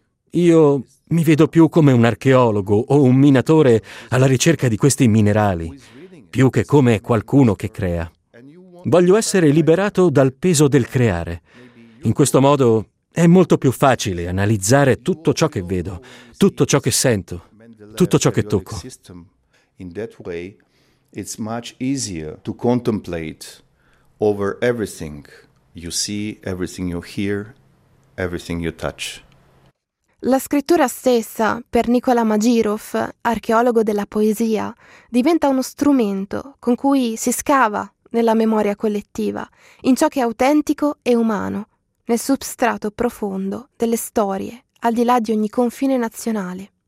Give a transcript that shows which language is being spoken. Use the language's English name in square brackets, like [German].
[Italian] Io mi vedo più come un archeologo o un minatore alla ricerca di questi minerali, più che come qualcuno che crea. Voglio essere liberato dal peso del creare. In questo modo è molto più facile analizzare tutto ciò che vedo, tutto ciò che sento, tutto ciò che tocco. [English] In that way it's much easier to contemplate over everything you see, everything you hear, everything you touch. [Italian] La scrittura stessa, per Nikola Magirov, archeologo della poesia, diventa uno strumento con cui si scava nella memoria collettiva, in ciò che è autentico e umano, nel substrato profondo delle storie, al di là di ogni confine nazionale.